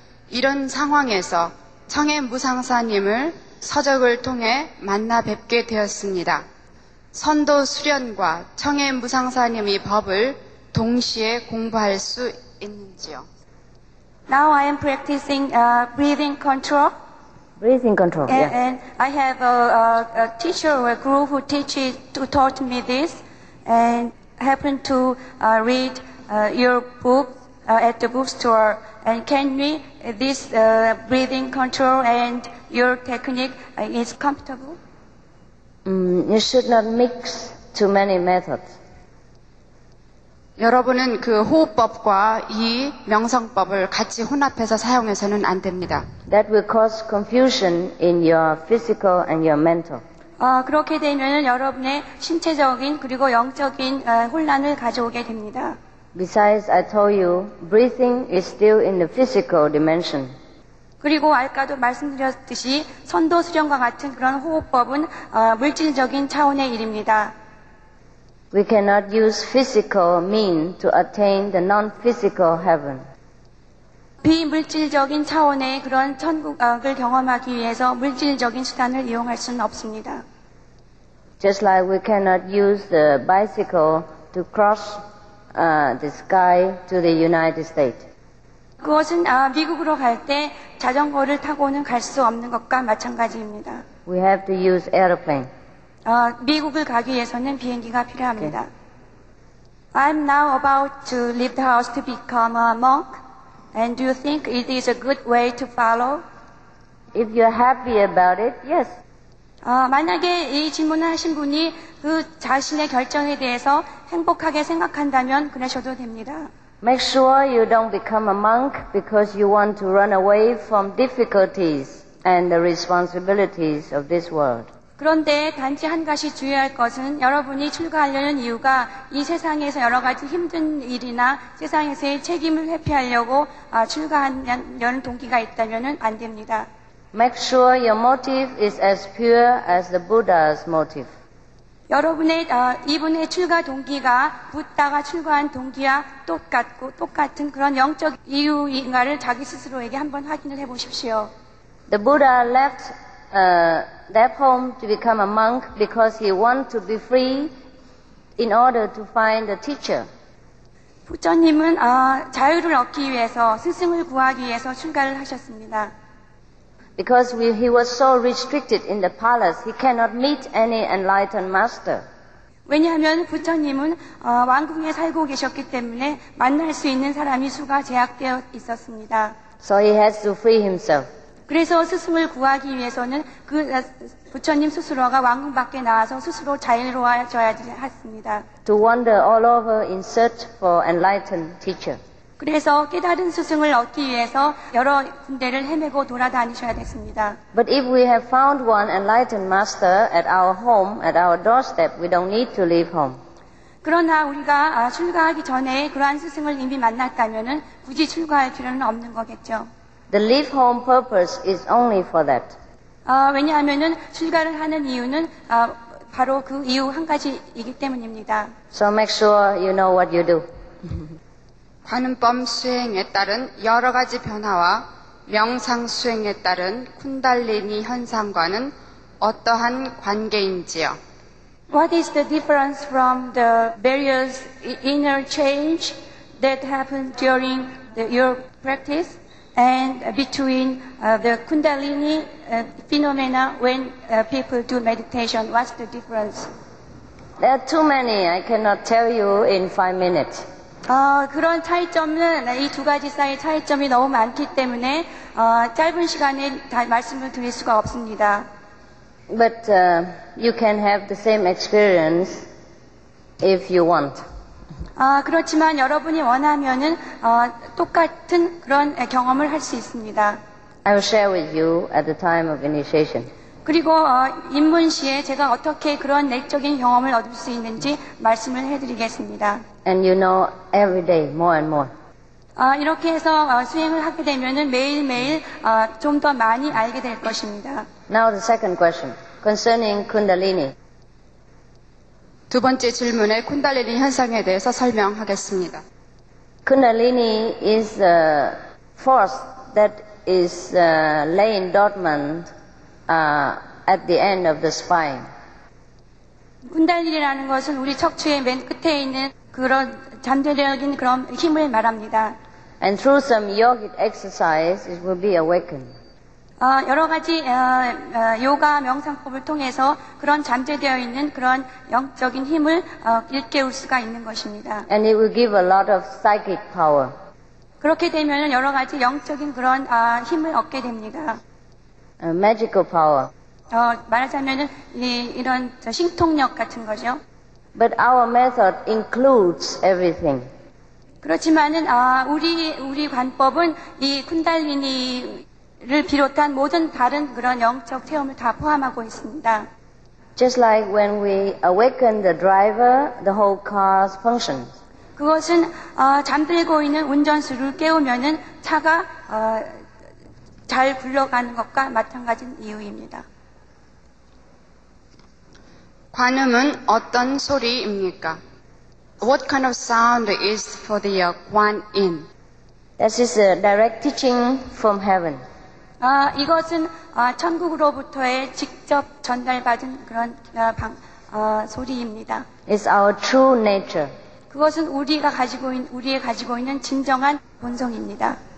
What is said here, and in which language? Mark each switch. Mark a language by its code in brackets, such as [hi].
[ko] 이런 상황에서 청해 무상사님을 서적을 통해 만나 뵙게 되었습니다. 선도 수련과 청해 무상사님의 법을 동시에 공부할 수 있는지요? [en] Now I am practicing breathing control. Breathing control. yes. And I have a teacher or a guru who teaches who taught me this, and happened to read your book at the bookstore and can me this breathing control and your technique is comfortable. You should not mix too many methods. [ko] 여러분은 그 호흡법과 이 명상법을 같이 혼합해서 사용해서는 안 됩니다. [en] That will cause confusion in your physical and your mental. [ko] 그렇게 되면 여러분의 신체적인 그리고 영적인 혼란을 가져오게 됩니다. [en] Besides, I told you, breathing is still in the physical dimension. [ko] 그리고 아까도 말씀드렸듯이 선도 수련과 같은 그런 호흡법은 물질적인 차원의 일입니다. [en] We cannot use physical means to attain the non-physical heaven. [ko] 비물질적인 차원의 그런 천국을 경험하기 위해서 물질적인 수단을 이용할 수는 없습니다. [en] Just like we cannot use the bicycle to cross the sky to the United States. [ko] 그것은 미국으로 갈 때 자전거를 타고는 갈 수 없는 것과 마찬가지입니다. [en] We have to use aeroplane. [ko] 미국을 가기 위해서는 비행기가 필요합니다. [en] Okay. I'm now about to leave the house to become a monk. And do you think it is a good way to follow? If you're happy about it, yes. [ko] 만약에 이 질문을 하신 분이 그 자신의 결정에 대해서 행복하게 생각한다면 그러셔도 됩니다. [en] Make sure you don't become a monk because you want to run away from difficulties and the responsibilities of this world. [ko] 그런데 단지 한 가지 주의할 것은 여러분이 출가하려는 이유가 이 세상에서 여러 가지 힘든 일이나 세상에서의 책임을 회피하려고 출가하려는 동기가 있다면은 안 됩니다. [en] Make sure your motive is as pure as the Buddha's motive. [ko] 여러분의 이분의 출가 동기가 부다가 출가한 동기와 똑같은 그런 영적 이유인가를 자기 스스로에게 한번 확인을 해보십시오. [en] The Buddha left home to become a monk because he wanted to be free in order to find the teacher. [ko] 부처님은 자유를 얻기 위해서 스승을 구하기 위해서 출가를 하셨습니다. [en] Because he was so restricted in the palace, he cannot meet any enlightened master. [ko] 왜냐하면 부처님은 왕궁에 살고 계셨기 때문에 만날 수 있는 사람이 수가 제약되어 있었습니다. [en] So he has to free himself. [ko] 그래서 스승을 구하기 위해서는 그 부처님 스스로가 왕궁 밖에 나와서 스스로 자유로워져야 했습니다. [en] To wander all over in search for enlightened teacher. [ko] 그래서 깨달은 스승을 얻기 위해서 여러 군데를 헤매고 돌아다니셔야 됐습니다. [en] But if we have found one enlightened master at our home, at our doorstep, we don't need to leave home. [ko] 그러나 우리가 출가하기 전에 그러한 스승을 이미 만났다면은 굳이 출가할 필요는 없는 거겠죠. [en] The leave home purpose is only for that. [ko] 왜냐하면은 출가를 하는 이유는 바로 그 이유 한 가지이기 때문입니다. [en] So make sure you know what you do. [ko] 관음법 수행에 따른 여러 가지 변화와 명상 수행에 따른 쿤달리니 현상과는 어떠한 관계인지요? [en] What is the difference from the various inner change that happened during your practice and between the Kundalini phenomena when people do meditation? What's the difference? There are too many. I cannot tell you in 5 minutes. [ko] 그런 차이점은 이 두 가지 사이 차이점이 너무 많기 때문에 짧은 시간에 다 말씀을 드릴 수가 없습니다. [en] But you can have the same experience if you want. [ko] 그렇지만 여러분이 원하면은 똑같은 그런 경험을 할 수 있습니다. [en] I will share with you at the time of initiation. [ko] 그리고 입문 시에 제가 어떻게 그런 내적인 경험을 얻을 수 있는지 말씀을 해드리겠습니다. [en] And you know every day more and more. [ko] 이렇게 해서 수행을 하게 되면은 매일매일 좀 더 많이 알게 될 것입니다. [en] Now the second question concerning Kundalini. [ko] 두 번째 질문에 쿤달리니 현상에 대해서 설명하겠습니다. [en] Kundalini is a force that is laying dormant at the end of the spine. [ko] 쿤달리니라는 것은 우리 척추의 맨 끝에 있는 그런 잠재적인 그런 힘을 말합니다. [en] And through some yogic exercise, it will be awakened. [ko] 여러 가지 요가 명상법을 통해서 그런 잠재되어 있는 그런 영적인 힘을 일깨울 수가 있는 것입니다. [en] And it will give a lot of psychic power. [ko] 그렇게 되면 여러 가지 영적인 그런 힘을 얻게 됩니다. [en] Magical power. [ko] 말하자면 이런 신통력 같은 거죠. [en] But our method includes everything. [ko] 그렇지만은 우리 관법은 이 쿤달리니를 비롯한 모든 다른 그런 영적 체험을 다 포함하고 있습니다. [en] Just like when we awaken the driver, the whole car's function. [ko] 그것은 잠들고 있는 운전수를 깨우면은 차가 잘 굴러가는 것과 마찬가지인 이유입니다. 관음은 어떤 소리입니까? [en] What kind of sound is for the Guan Yin? This is a direct teaching from heaven. [ko] 이것은 천국으로부터의 직접 전달받은 그런 소리입니다. [en] It's our true nature. [ko] 그것은 우리의 가지고 있는 진정한 본성입니다.